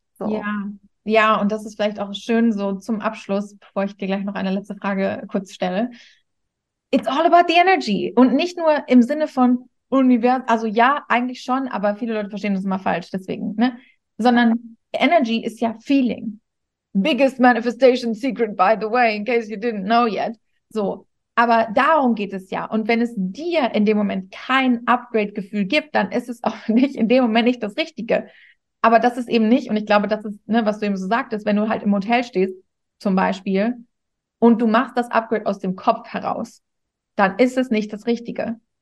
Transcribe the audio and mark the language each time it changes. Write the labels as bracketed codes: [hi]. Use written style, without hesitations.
[de] So. Ja, und das ist vielleicht auch schön so zum Abschluss, bevor ich dir gleich noch eine letzte Frage kurz stelle. [en] It's all about the energy. [de] Und nicht nur im Sinne von Universum, also ja, eigentlich schon, aber viele Leute verstehen das immer falsch, deswegen, ne? Sondern Energy ist ja Feeling. [en] Biggest manifestation secret, by the way, in case you didn't know yet. [de] So, aber darum geht es ja. Und wenn es dir in dem Moment kein Upgrade-Gefühl gibt, dann ist es auch nicht in dem Moment nicht das Richtige. Aber das ist eben nicht, und ich glaube, das ist, ne, was du eben so sagtest, wenn du halt im Hotel stehst, zum Beispiel, und du machst das Upgrade aus dem Kopf heraus, dann ist es nicht das Richtige.